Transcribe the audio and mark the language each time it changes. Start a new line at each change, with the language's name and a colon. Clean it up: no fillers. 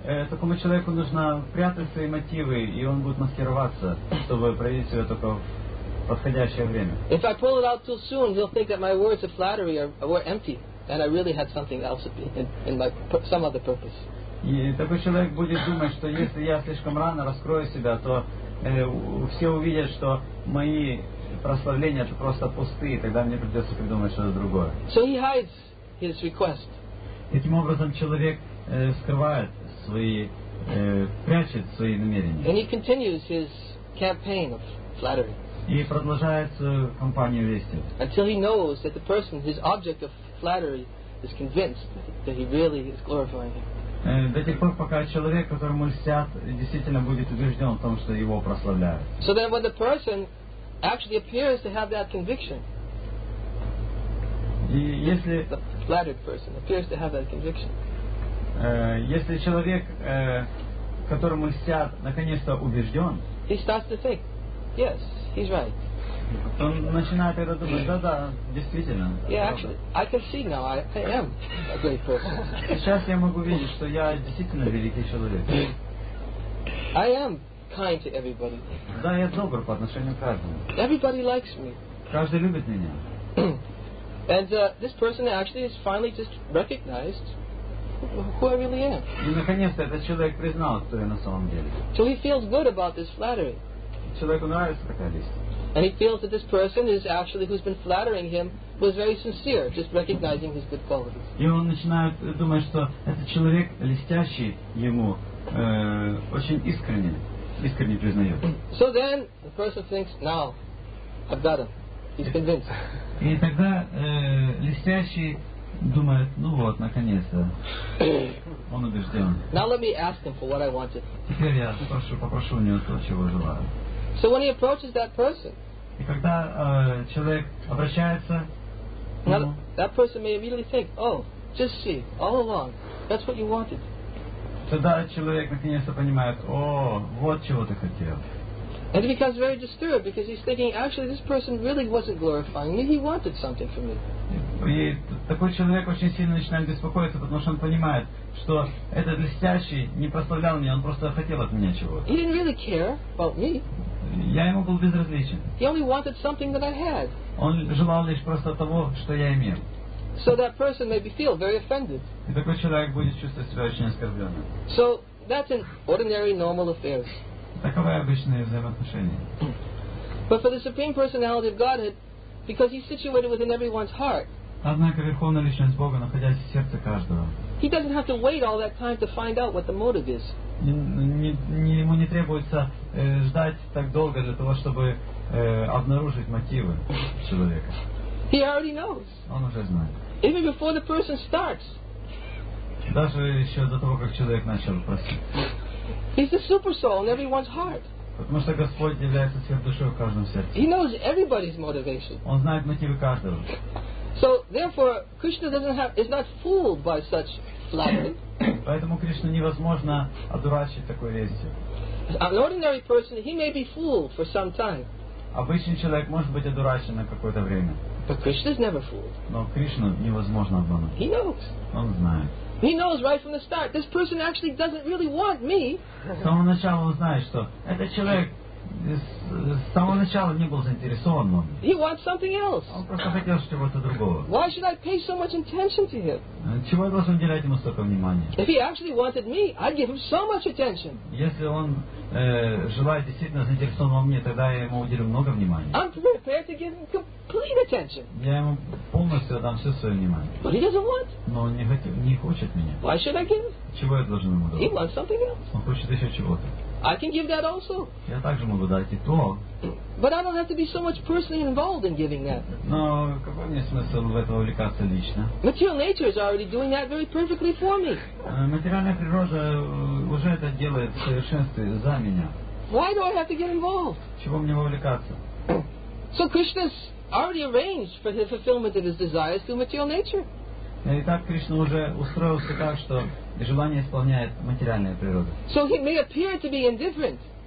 Russian: Такому человеку нужно прятать свои мотивы, и он будет маскироваться, чтобы проявить себя только в подходящее время.
English: If I pull it out too soon, he'll think that my words of flattery were empty, and I really had something else in my some other purpose.
Russian: И такой человек будет думать, что если я слишком рано раскрою себя, то все увидят, что мои прославления это просто пустые, тогда мне придется придумать что-то другое.
English: So he hides his request.
Russian: Таким образом человек скрывает свои, прячет свои намерения.
English: And he continues his campaign of flattery.
Russian: И продолжается кампания лести.
English: Until he knows that the person, his object of flattery, is convinced that he really is glorifying him.
Russian: До тех пор, пока человек, которому льстят, действительно будет убежден в том, что его прославляют.
English: So then when the person actually appears to have that conviction, the flattered person appears to have that conviction.
Russian: Если человек, которому льстят, наконец-то убежден,
English: he starts to think, yes, he's right.
Russian: Он начинает это думать, да, действительно.
English: Yeah, actually, I can see now, I am a great person.
Russian: Сейчас я могу видеть, что я действительно великий человек.
English: I am kind to everybody.
Russian: Да, я добр по отношению к каждому.
English: Everybody likes me.
Russian: Каждый любит меня.
English: And this person actually is finally just recognized who I really am.
Russian: И наконец-то этот человек признал, кто я на самом деле.
English: So he feels good about this flattery.
Russian: Человеку нравится такая лесть.
English: And he feels that this person is actually who's been flattering him was very sincere, just recognizing his good qualities.
Russian: И он начинает думать, что этот человек льстящий ему очень искренне признает.
English: So then the person thinks, now I've got him. He's convinced.
Russian: И тогда льстящий думает, ну вот, наконец-то. Он убежден.
English: Now let me ask him for what I wanted.
Russian: Теперь я попрошу у него то, чего желаю.
English: So when he approaches that person,
Russian: и когда человек обращается,
English: now, that person may immediately think, oh, just see, all along, that's what you wanted.
Russian: Тогда человек наконец-то понимает, о, вот чего ты хотел.
English: And he becomes very disturbed because he's thinking, actually, this person really wasn't glorifying me, he wanted something from me.
Russian: И такой человек очень сильно начинает беспокоиться, потому что он понимает, что этот льстящий не прославлял меня, он просто хотел от меня чего-то.
English: He didn't really care about me.
Russian: Я ему был безразличен.
English: He only wanted something that I had.
Russian: Он желал лишь просто того, что я имел.
English: So that person may feel very offended.
Russian: И такой человек будет чувствовать себя очень оскорбленным.
English: So that's an ordinary, normal affairs.
Russian: Таковы обычные взаимоотношения.
English: But for the Supreme Personality of Godhead, because he's situated within everyone's heart,
Russian: однако верховная личность Бога, находясь в сердце каждого,
English: he doesn't have to wait all that time to find out what the motive is.
Russian: Ему не требуется ждать так долго для того, чтобы обнаружить мотивы человека.
English: He already knows.
Russian: Он уже знает.
English: Even before the person starts.
Russian: Даже еще до того, как человек начал просить.
English: He's the super soul in everyone's heart.
Russian: Потому что Господь является сверхдушой в каждом сердце.
English: He knows everybody's motivation.
Russian: Он знает мотивы каждого.
English: So therefore, Krishna is not fooled by such flattery.
Russian: Поэтому Кришна невозможно одурачить такой лестью.
English: An ordinary person, he may be fooled for some time.
Russian: Обычный человек может быть одурачен на какое-то время.
English: But Krishna is never fooled.
Russian: Но Кришну невозможно обмануть.
English: He knows.
Russian: Он знает.
English: He knows right from the start. This person actually doesn't really want me.
Russian: С самого начала он знает, что этот человек с самого начала не был заинтересован во мне.
English: He wants something else.
Russian: Он просто хотел чего-то другого.
English: Why should I pay so much attention to him?
Russian: Чего я должен уделять ему столько внимания?
English: If he actually wanted me, I'd give him so much attention.
Russian: Если он желает действительно заинтересован во мне, тогда я ему уделю много внимания.
English: I'm prepared to give him complete attention.
Russian: Я ему полностью отдам все свое внимание.
English: But he doesn't want.
Russian: Но он не хочет меня.
English: Why should I give?
Russian: Чего я должен ему давать?
English: He wants something else.
Russian: Он хочет еще чего-то.
English: I can give that also.
Russian: Я также могу дать и то.
English: But I don't have to be so much personally involved in giving that.
Russian: Но какой мне смысл в этом увлекаться лично?
English: Material nature is already doing that very perfectly for me.
Russian: Материальная природа уже это делает в совершенстве за меня.
English: Why do I have to get involved?
Russian: Чего мне вовлекаться?
English: So Krishna's already arranged for the fulfillment of his desires through material nature.
Russian: Итак, Кришна уже устроился так, что желание исполняет материальная природа.
English: So he may appear to be indifferent.